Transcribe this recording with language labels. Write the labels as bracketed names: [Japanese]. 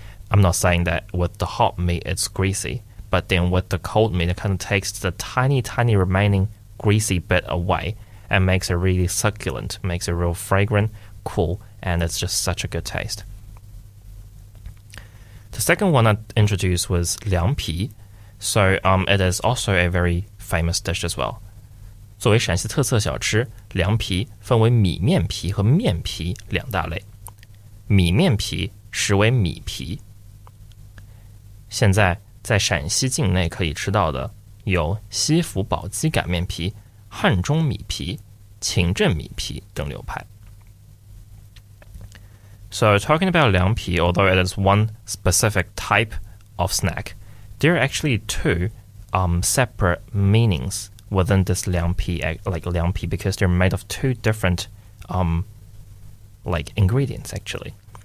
[English] I'm not saying that with the hot meat it's greasy, but then with the cold meat, it kind of takes the tiny, tiny remaining greasy bit away and makes it really succulent, makes it real fragrant, cool, and it's just such a good taste. The second one I introduced was Liang Pi. So it is also a very famous dish as well. [Chinese] 作为陕西特色小吃, 凉皮分为米面皮和面皮两大类。米面皮实为米皮。现在在陕西境内可以吃到的有西府宝鸡擀面皮、汉中米皮、秦镇米皮等流派。 [English] So talking about 凉皮, although it is one specific type of snack, there are actually two separate meanings within this 凉皮, like 凉皮, because they're made of two different ingredients actually.